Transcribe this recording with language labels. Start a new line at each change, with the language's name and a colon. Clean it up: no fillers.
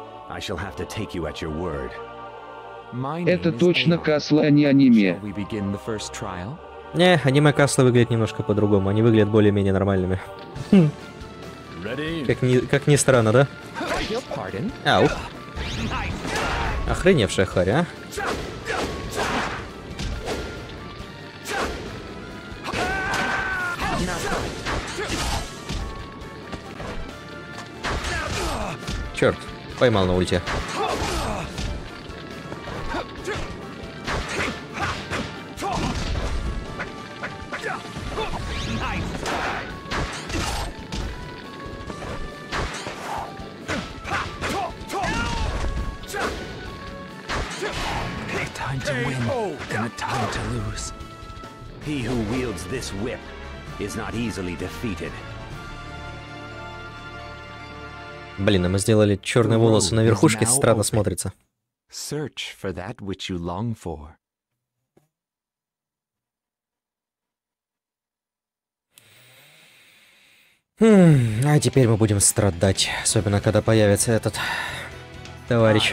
English: I shall have to take you at your word.
Russian: Это точно Касла, а не аниме.
English: Shall we begin the first trial?
Russian: Не, аниме Касла выглядит немножко по-другому. Они выглядят более-менее нормальными.
English: Ready?
Russian: Как ни странно, да?
English: Pardon?
Russian: Ау. Охреневшая харь, а? Черт. Поймал на ульте.
English: Time to win and a time to lose. He who wields this whip is not easily defeated.
Russian: Блин, а мы сделали черные волосы на верхушке, странно смотрится.
English: Search for that which you long for.
Russian: А теперь мы будем страдать, особенно когда появится этот товарищ.